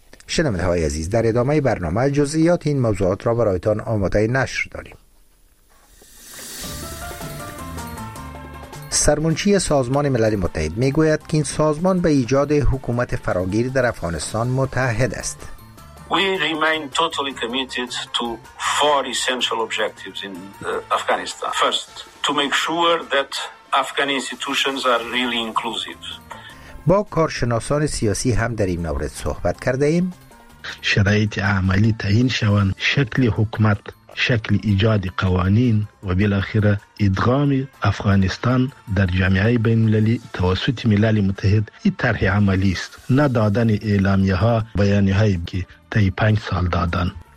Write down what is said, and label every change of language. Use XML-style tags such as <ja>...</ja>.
<fa>شنونده های عزیز، در ادامه برنامه جزئیات این موضوعات را برایتان آماده نشر داریم. سرمنشی سازمان ملل متحد میگوید که این سازمان به ایجاد حکومت فراگیر در افغانستان متحد است.</fa> <en>We remain totally committed to four essential objectives in Afghanistan. First, to make sure that Afghan institutions are really inclusive.</en> <fa>با کارشناسان سیاسی هم در این مورد صحبت کرده ایم. شرایط عملی تعیین شوند، شکل حکومت، شکل ایجاد قوانین و بالاخره ادغام افغانستان در جامعه بین المللی توسط ملل متحد این طرح عملی است، نه دادن اعلامیه ها بیانیه هایی که تا 5 سال دادن.</fa>